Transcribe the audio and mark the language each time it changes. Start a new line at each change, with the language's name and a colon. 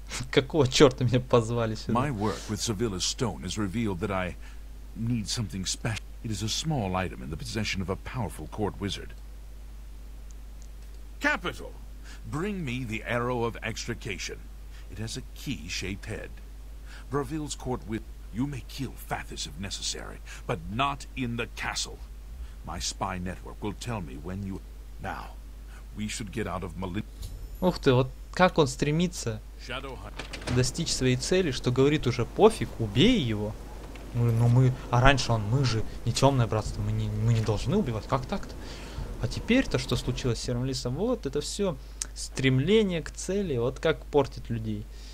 Russian: Какого черта меня позвали сюда?
English: My work with Savilla's stone has revealed that I need something special. It is a small item in the possession of a powerful court wizard. Capital! Bring me the arrow of extrication. It has a key-shaped head. Braville's court wizard, you may kill Fathis if necessary, but not in the castle. My spy network will tell me when you... Now, we should get out of Malin...
Russian: Ух ты, вот как он стремится достичь своей цели, что говорит уже пофиг, убей его. Ну мы, а раньше он, мы же не темное братство, мы не должны убивать, как так-то? А теперь-то что случилось с серым лисом? Вот это все стремление к цели, вот как портит людей.